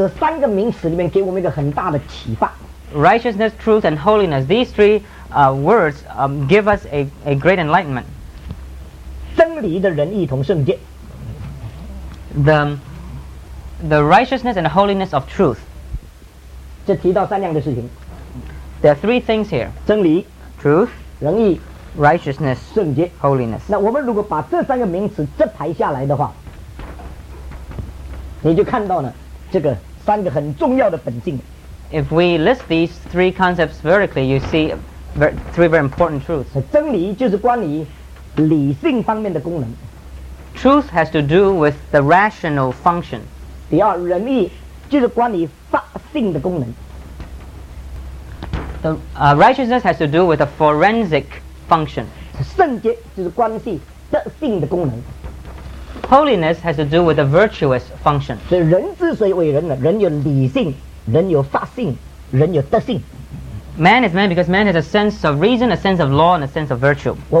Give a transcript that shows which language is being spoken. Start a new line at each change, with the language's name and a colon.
Chinese: 那么这个真理的仁义同圣洁，这三个名词里面给我们一个很大的启发。
English: Righteousness, truth, and holiness. These three words give us a great enlightenment.
Chinese: 真理的仁义同圣洁。
English: The righteousness and the holiness of truth.
Chinese: 这提到三样的事情。
English: There are three things here.
Chinese: 真理,
English: truth,
Chinese: 仁义,
English: righteousness,
Chinese: 圣洁,
English: holiness.
Chinese: 那我们如果把这三个名词这排下来的话， 你就看到呢, 这个三个很重要的本性。
English: If we list these three concepts vertically, you see three very important truths.
Chinese: 真理就是关于理性方面的功能。
English: Truth has to do with the rational function.
Chinese: 第二，仁义就是关于法性的功能。
English: Righteousness has to do with a forensic function.
Chinese: 圣洁就是关系德性的功能。
English: Holiness has to do with a virtuous function.
Chinese: 人之所以为人呢，人有理性，人有法性，人有德性。
English: Man is man because man has a sense of reason, a sense of law, and a sense of virtue.